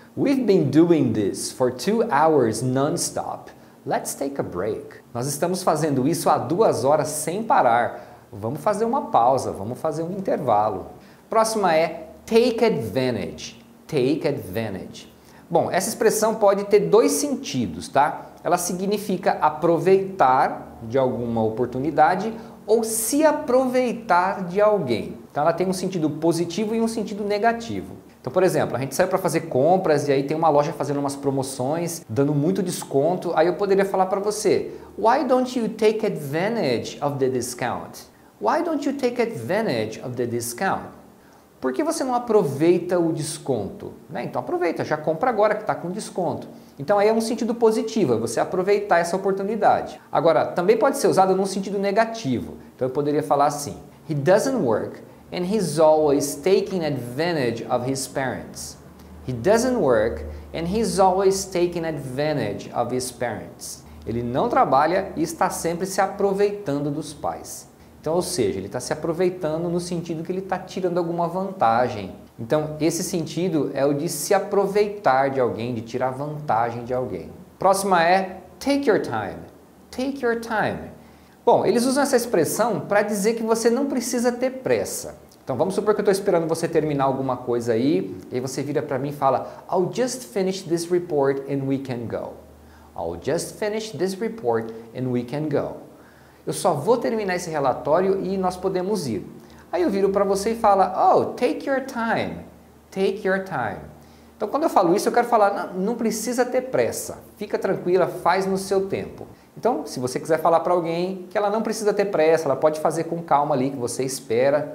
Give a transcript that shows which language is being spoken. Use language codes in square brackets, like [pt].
[en] We've been doing this for 2 hours non-stop. Let's take a break. [pt] Nós estamos fazendo isso há 2 horas sem parar. Vamos fazer uma pausa, vamos fazer um intervalo. Próxima é take advantage. Take advantage. Bom, essa expressão pode ter 2 sentidos, tá? Ela significa aproveitar de alguma oportunidade ou se aproveitar de alguém. Então ela tem um sentido positivo e um sentido negativo. Então, por exemplo, a gente sai para fazer compras e aí tem uma loja fazendo umas promoções, dando muito desconto. Aí eu poderia falar para você: [en] why don't you take advantage of the discount? Why don't you take advantage of the discount? [pt] Por que você não aproveita o desconto? Né? Então aproveita, já compra agora que está com desconto. Então aí é um sentido positivo, é você aproveitar essa oportunidade. Agora, também pode ser usado num sentido negativo. Então eu poderia falar assim: [en] he doesn't work and he's always taking advantage of his parents. He doesn't work and he's always taking advantage of his parents. [pt] Ele não trabalha e está sempre se aproveitando dos pais. Então, ou seja, ele está se aproveitando no sentido que ele está tirando alguma vantagem. Então, esse sentido é o de se aproveitar de alguém, de tirar vantagem de alguém. Próxima é take your time. Take your time. Bom, eles usam essa expressão para dizer que você não precisa ter pressa. Então, vamos supor que eu estou esperando você terminar alguma coisa aí, e aí você vira para mim e fala: [en] I'll just finish this report and we can go. I'll just finish this report and we can go. [pt] Eu só vou terminar esse relatório e nós podemos ir. Aí eu viro para você e falo: [en] oh, take your time. [pt] Take your time. Então, quando eu falo isso, eu quero falar: não precisa ter pressa. Fica tranquila, faz no seu tempo. Então, se você quiser falar para alguém que ela não precisa ter pressa, ela pode fazer com calma ali, que você espera.